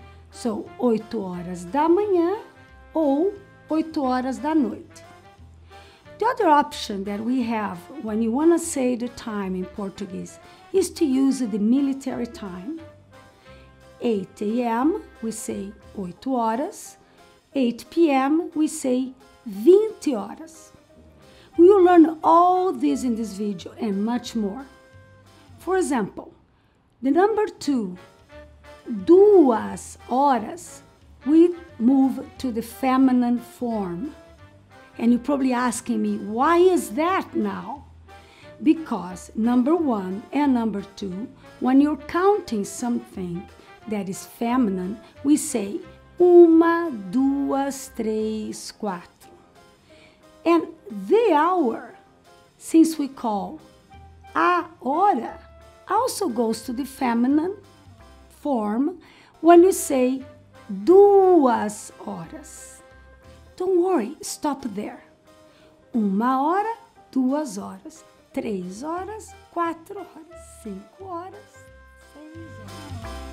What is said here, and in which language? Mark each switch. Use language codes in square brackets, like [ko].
[pt] So, 8 horas da manhã ou 8 horas da noite. [en] The other option that we have when you want to say the time in Portuguese is to use the military time. 8 a.m. we say 8 horas. 8 p.m. we say 20 horas. We will learn all this in this video and much more. For example, the number 2, duas horas, we move to the feminine form. And you're probably asking me, why is that now? Because number 1 and number 2, when you're counting something that is feminine, we say uma, duas, três, quatro. And the hour, since we call a hora, also goes to the feminine form when you say duas horas. Don't worry, stop there. [pt] Uma hora, duas horas, três horas, quatro horas, cinco horas, seis horas.